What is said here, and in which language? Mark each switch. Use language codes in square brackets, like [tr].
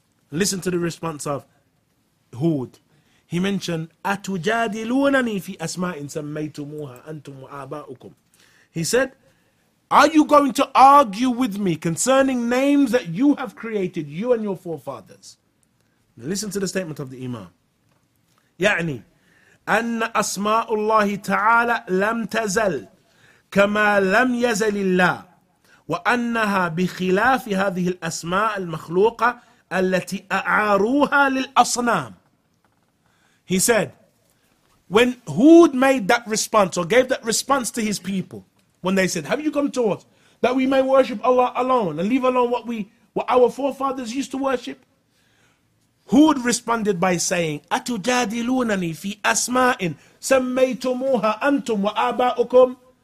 [en] Listen to the response of Hud. He mentioned, [ar] أَتُجَادِلُونَنِي فِي أَسْمَاءٍ سَمَّيْتُمُوهَا أَنْتُمْ وَآبَاؤُكُمْ. [en] He said, are you going to argue with me concerning names that you have created, you and your forefathers? Now listen to the statement of the Imam. [ar] يعني أن أسماء الله تعالى لم تزل كما لم يزل الله وأنها بخلاف هذه الأسماء المخلوقة التي أعاروها للأصنام. [en] He said, when Hud made that response or gave that response to his people, when they said, have you come to us that we may worship Allah alone and leave alone what our forefathers used to worship? Hud responded by saying, [ar] أَتُجَادِلُونَنِي فِي أَسْمَاءٍ سَمَّيْتُمُوهَا أَنْتُمْ وَآبَاؤُكُمْ.